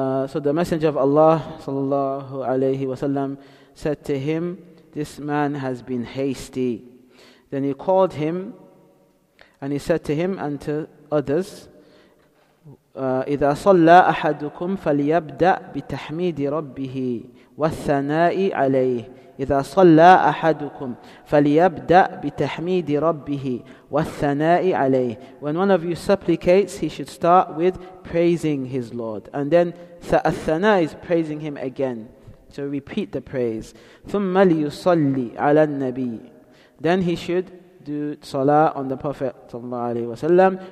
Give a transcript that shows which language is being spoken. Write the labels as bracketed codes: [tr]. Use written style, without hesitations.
[en] So the Messenger of Allah sallallahu alaihi wasallam said to him, "This man has been hasty." Then he called him and he said to him and to others, [ar] إِذَا صَلَّى أَحَدُكُمْ فَلْيَبْدَأْ بِتَحْمِيدِ رَبِّهِ وَالثَّنَاءِ عَلَيْهِ إِذَا صَلَّى أَحَدُكُمْ فَلْيَبْدَأْ بِتَحْمِيدِ رَبِّهِ وَالثَّنَاءِ عَلَيْهِ. [en] When one of you supplicates, he should start with praising his Lord. And then الثَّنَاء is praising him again. So repeat the praise. [ar] ثُمَّ لِيُصَلِّ عَلَى النَّبِيِّ. [en] Then he should do salah on the Prophet sallallahu alaihi wasallam.